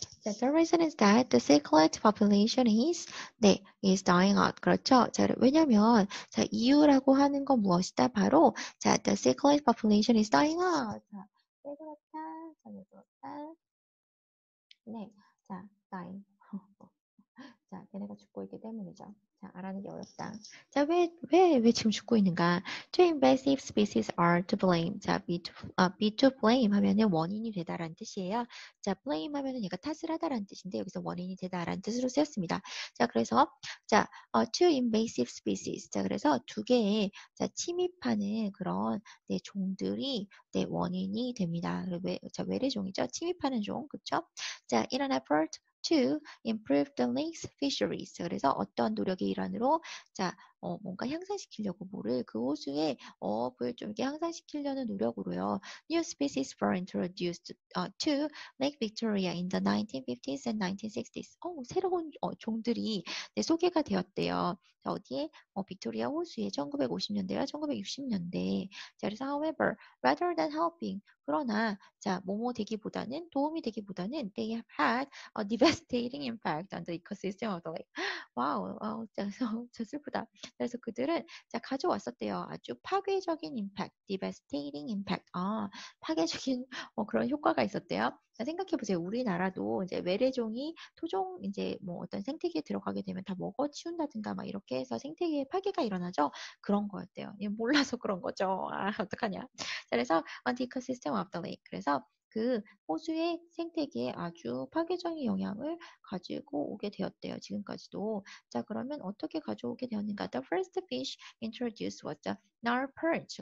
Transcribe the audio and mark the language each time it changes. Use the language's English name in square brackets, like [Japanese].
[English] The reason is that the cichlid population is dying out. [Korean] 그렇죠? 자, 왜냐면, 자, 이유라고 하는 건 무엇이다? 바로, 자, [English] the cichlid population is dying out. [Korean] 자, 왜 그렇다? 자, 왜 그렇다? 네. 자, dying. 자, 걔네가 죽고 있기 때문이죠. 자, 알아내기 어렵다. 자, 왜 지금 죽고 있는가? [English] Two invasive species are to blame. 자, be to blame [Korean] 하면은 원인이 되다라는 뜻이에요. 자, blame 하면은 얘가 탓을 하다라는 뜻인데 여기서 원인이 되다라는 뜻으로 쓰였습니다. [English] 자, 그래서 자, two invasive species. [Korean] 자, 그래서 두 개의 자, 침입하는 그런 네, 종들이 네, 원인이 됩니다. 왜, 자, 외래종이죠? 침입하는 종, 그렇죠? [English] 자, in an effort to improve the lake's fisheries. [Korean] 그래서 어떤 노력의 일환으로 자, 뭔가 향상시키려고 물을 그 호수의 어업을 좀 이렇게 향상시키려는 노력으로요. [English] New species were introduced to Lake Victoria in the 1950s and 1960s. [Korean] 새로운 종들이 네, 소개가 되었대요. 자, 어디에? 빅토리아 호수에 1950년대와 1960년대. [English] 자, 그래서 however, rather than helping, [Korean] 그러나 자, 뭐뭐 되기보다는 도움이 되기보다는 [English] they have had a devastating impact on the ecosystem of the lake. [Korean] 와우, 자, 저 슬프다. 그래서 그들은 자, 가져왔었대요. 아주 파괴적인 임팩트, [English] devastating impact. [Korean] 아, 파괴적인 그런 효과가 있었대요. 생각해보세요. 우리나라도 이제 외래종이 토종 이제 뭐 어떤 생태계에 들어가게 되면 다 먹어치운다든가 막 이렇게 해서 생태계에 파괴가 일어나죠. 그런 거였대요. 몰라서 그런 거죠. 아, 어떡하냐. 그래서 [English] on the ecosystem of the lake. [Korean] 그래서 그 호수의 생태계에 아주 파괴적인 영향을 가지고 오게 되었대요. 지금까지도. 자, 그러면 어떻게 가져오게 되었는가? [English] The first fish introduced was the Nile perch.